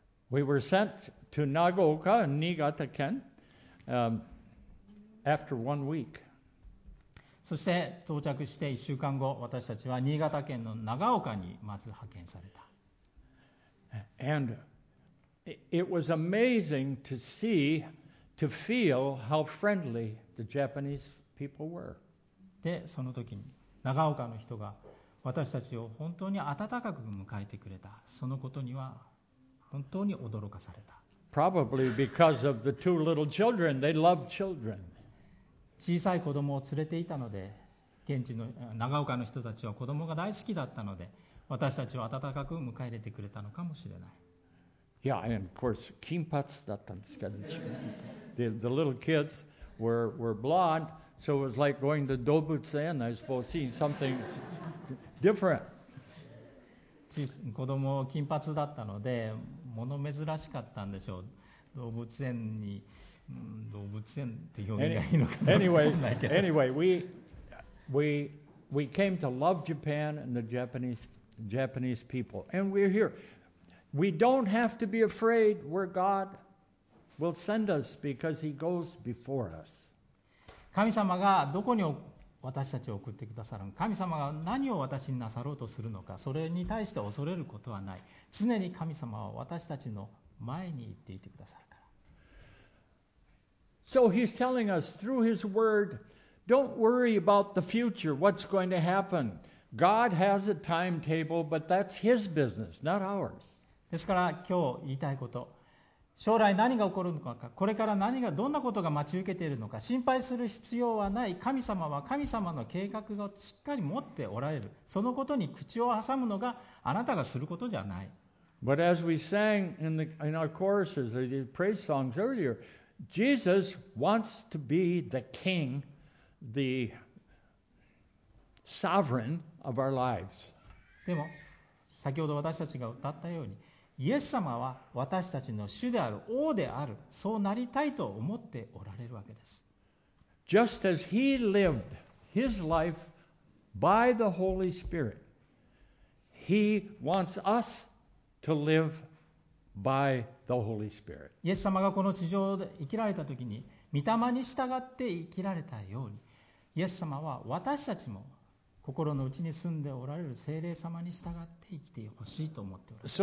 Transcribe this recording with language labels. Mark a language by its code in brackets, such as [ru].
[en] We were sent to Nagoka, Niigata県, after 1 week. [ja] そして到着して1週間後、私たちは新潟県の長岡にまず派遣された。 [en] And it was amazing to see, to feel how friendly the Japanese people were. [ja] で、その時に長岡の人が私たちを本当に温かく迎えてくれた。そのことには本当に驚かされた。 [en] Probably because of the two little children, they love children. [ja] 小さい子供を連れていたので、現地の長岡の人たちは子供が大好きだったので、私たちを温かく迎え入れてくれたのかもしれない。いや、 [en] and of course, [ja] 金髪だったんですけど、 [en] the little kids were blonde, so it was like going to [ja] 動物園, [en] I suppose, seeing something different. [ja] 子供は金髪だったので、もの珍しかったんでしょう。動物園に。動物園って表現がいいのかな。 [en] Anyway, we came to love Japan and the Japanese people, and we're here. We don't have to be afraid where God will send us because he goes before us. [ja] 神様がどこに私たちを送ってくださるのか、神様が何を私になさろうとするのか、それに対して恐れることはない。常に神様は私たちの前に行っていてくださるから。 [en] So he's telling us through his word, don't worry about the future, what's going to happen. God has a timetable, but that's his business, not ours. [ja] ですから今日言いたいこと、将来何が起こるのか、これから何がどんなことが待ち受けているのか、心配する必要はない。神様は神様の計画をしっかり持っておられる。そのことに口を挟むのがあなたがすることじゃない。 [en] But as we sang in our choruses, or the praise songs earlier, Jesus wants to be the king, the sovereign of our lives. [ja] でも、先ほど私たちが歌ったように、イエス様は私たちの主である、王である、そうなりたいと思っておられるわけです。 [en] Just as he lived his life by the Holy Spirit, he wants us to live by the Holy Spirit. [ja] イエス様がこの地上で生きられたときに、御霊に従って生きられたように、イエス様は私たちも心の内に住んでおられる聖霊様に従って生きてほしいと思っております。